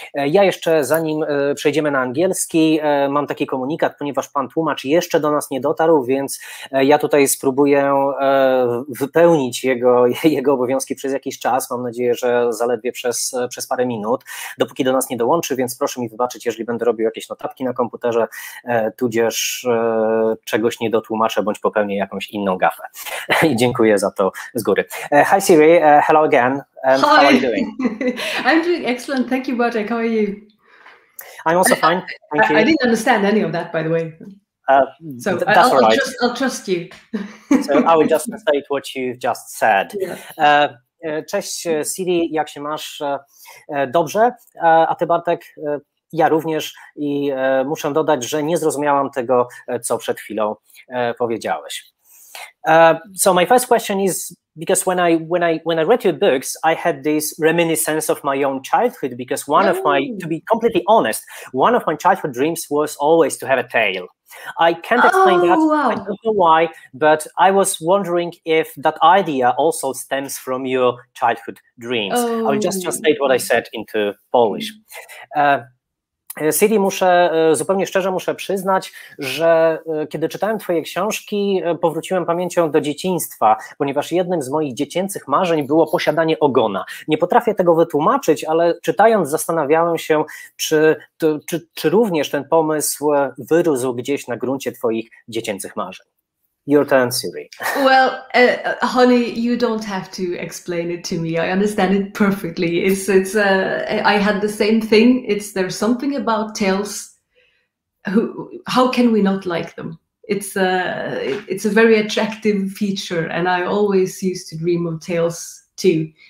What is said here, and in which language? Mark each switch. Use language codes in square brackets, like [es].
[pl] Ja jeszcze, zanim przejdziemy na angielski, mam taki komunikat, ponieważ pan tłumacz jeszcze do nas nie dotarł, więc ja tutaj spróbuję wypełnić jego obowiązki przez jakiś czas, mam nadzieję, że zaledwie przez parę minut, dopóki do nas nie dołączy, więc proszę mi wybaczyć, jeżeli będę robił jakieś notatki na komputerze, tudzież czegoś nie dotłumaczę, bądź popełnię jakąś inną gafę. I dziękuję za to z góry. [en] Hi Siri, hello again. Hi. How are you doing? I'm doing excellent, thank you Bartek, how are you? I'm also fine. Thank you. I didn't understand any of that, by the way. That's all right. I'll trust you. So I will just translate what you just said. [pl] Yeah. Cześć Siri, jak się masz? Dobrze. A ty Bartek? Ja również. I muszę dodać, że nie zrozumiałam tego, co przed chwilą powiedziałeś. [en] So my first question is, because when I read your books, I had this reminiscence of my own childhood, because one of my, to be completely honest, one of my childhood dreams was always to have a tail. I can't explain that, wow. I don't know why, but I was wondering if that idea also stems from your childhood dreams. Oh. I'll just translate what I said into Polish. [pl] Siri, muszę zupełnie szczerze muszę przyznać, że kiedy czytałem twoje książki, powróciłem pamięcią do dzieciństwa, ponieważ jednym z moich dziecięcych marzeń było posiadanie ogona. Nie potrafię tego wytłumaczyć, ale czytając zastanawiałem się, czy również ten pomysł wyrósł gdzieś na gruncie twoich dziecięcych marzeń. [en] Your turn, Siri. Well, honey, you don't have to explain it to me. I understand it perfectly. I had the same thing. There's something about tails. How can we not like them? It's a very attractive feature, and I always used to dream of tails too.